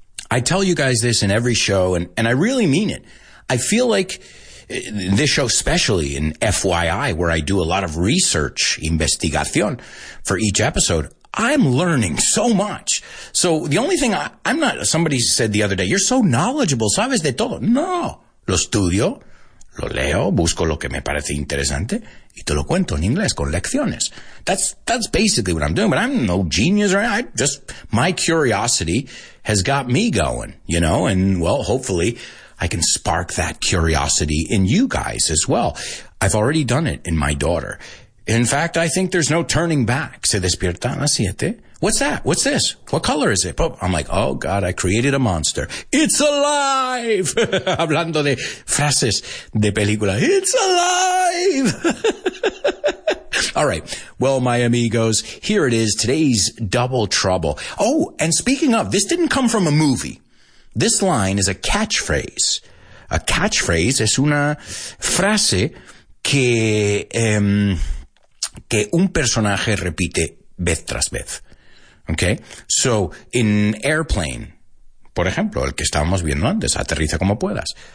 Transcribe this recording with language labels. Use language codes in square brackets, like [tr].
[en] I tell you guys this in every show, and I really mean it. I feel like this show, especially in FYI, where I do a lot of research, investigación, for each episode, I'm learning so much. So the only thing I'm not, somebody said the other day, you're so knowledgeable, [es] sabes de todo. No, lo estudio. Lo leo, busco lo que me parece interesante, y te lo cuento en inglés, con lecciones. [en] That's basically what I'm doing, but I'm no genius, right? My curiosity has got me going, you know, and well, hopefully I can spark that curiosity in you guys as well. I've already done it in my daughter. In fact, I think there's no turning back. [es] Se despierta a las siete. [en] What's that? What's this? What color is it? Oh, I'm like, oh, God, I created a monster. It's alive! [es] Hablando de frases de película. [en] It's alive! All right. Well, my amigos, here it is. Today's Double Trouble. Oh, and speaking of, this didn't come from a movie. This line is a catchphrase. [es] A catchphrase es una frase que un personaje repite vez tras vez. Okay, so in Airplane, por ejemplo, el que estábamos viendo antes, aterriza como puedas.